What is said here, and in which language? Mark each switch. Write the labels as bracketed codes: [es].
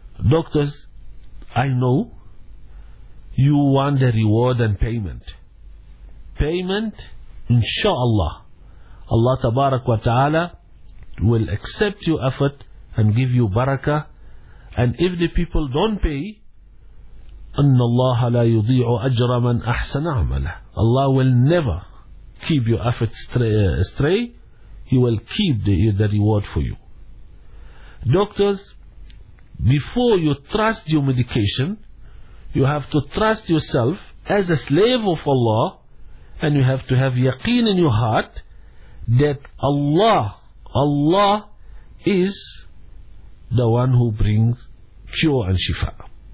[en] Doctors, I know you want the reward and payment. Payment, inshallah, Allah Tabarak wa Ta'ala will accept your effort and give you barakah. And if the people don't pay, [ar] أَنَّ اللَّهَ لَا يُضِيعُ أَجْرَ مَنْ أَحْسَنَ عَمَلَهُ. [en] Allah will never keep your effort astray. He will keep the reward for you. Doctors, before you trust your medication, you have to trust yourself as a slave of Allah, and you have to have yaqeen in your heart that Allah is the one who brings cure and shifa.